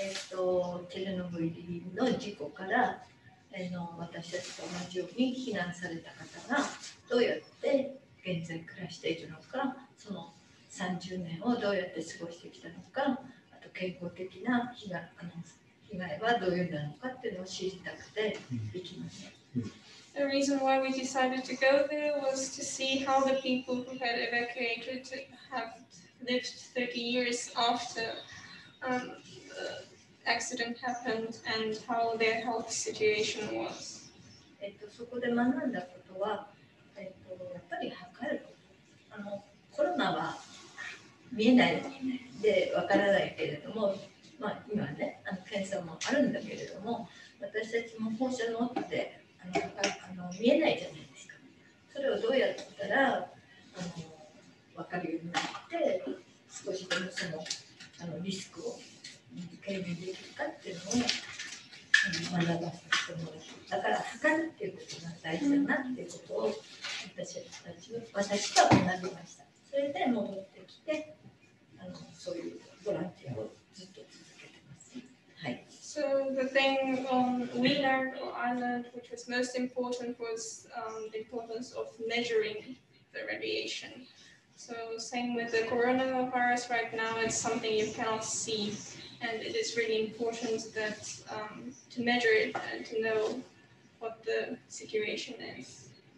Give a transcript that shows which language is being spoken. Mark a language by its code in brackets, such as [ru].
[ja] So, Chernobyl の事故から、私たちと同じように避難された方が、どうやって現在暮らしているのか、その30年をどうやって過ごしてきたのか、あと健康的な被害はどういうのかっていうのを知りたくて行きました。 [en] The reason why we decided to go there was to see how the people who had evacuated have lived 30 years after the accident happened and how their health situation was. [ja] そこで学んだことは、やっぱり測ること。コロナは見えないでわからないけれども、まあ、今ね、検査もあるんだけれども、私たちも放射能って見えないじゃないですか。それをどうやったら分かるようになって、少しでもその、リスクを軽減できるかっていうのを学ばせてもらって、だから測るっていうことが大事だなっていうことを私は学びました。それで戻ってきて、そういうボランティアをずっと続けています。 [en] So the thing we learned or I learned, which was most important, was the importance of measuring the radiation. So same with the coronavirus right now, it's something you cannot see. And it is really important that to measure it and to know what the situation is.